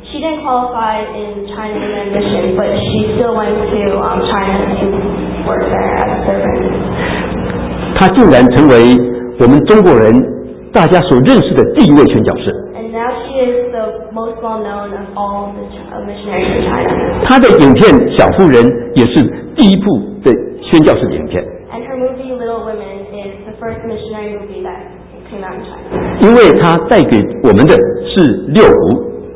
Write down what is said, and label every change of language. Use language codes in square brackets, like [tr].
[en] She didn't qualify in China for their mission, but she still went to China to work there as a servant. [zh] 她竟然成为我们中国人大家所认识的第一位宣教士。 [en] And now she is the most well-known of all the missionaries in China. [zh] 她的影片《小妇人》也是第一部的宣教士的影片。 [en] And her movie Little Women is the first missionary movie that came out in China. [zh] 因为她带给我们的是六福。